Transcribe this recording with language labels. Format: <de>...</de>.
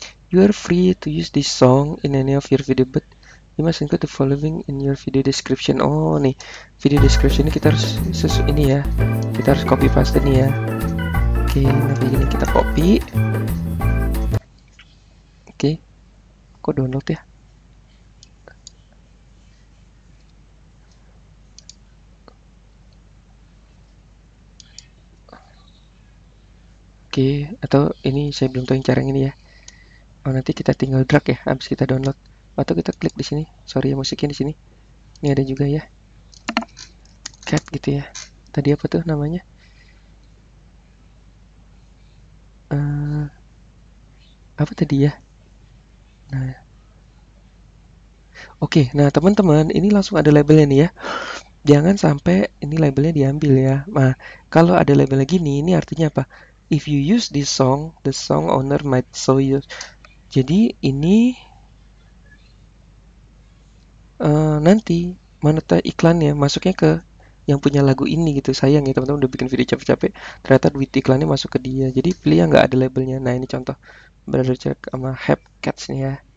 <en>You are free to use this song in any of your video, but you must include the following in your video description.</en> <id>Oh, nih. Video description ini kita harus sesuai ini ya. Kita harus copy paste nih ya. Oke, nanti ini kita copy. Oke. Kok download ya? Oke, atau ini saya belum tahu yang cara ini ya. Oh, nanti kita tinggal drag ya, habis kita download. Atau kita klik di sini. Sorry ya, musiknya di sini. Ini ada juga ya. Cat gitu ya. Tadi apa tuh namanya? Apa tadi ya? Nah. Oke, nah teman-teman, ini langsung ada labelnya nih ya. Jangan sampai ini labelnya diambil ya. Nah, kalau ada labelnya gini, ini artinya apa?</id> <en>If you use this song, the song owner might sue you.</en> <id>Jadi ini nanti monetize iklannya masuknya ke yang punya lagu ini gitu. Sayang ya teman-teman udah bikin video capek-capek, ternyata duit iklannya masuk ke dia. Jadi pilih yang nggak ada labelnya. Nah ini contoh Brother Jack sama Hep Cats nih ya.</id>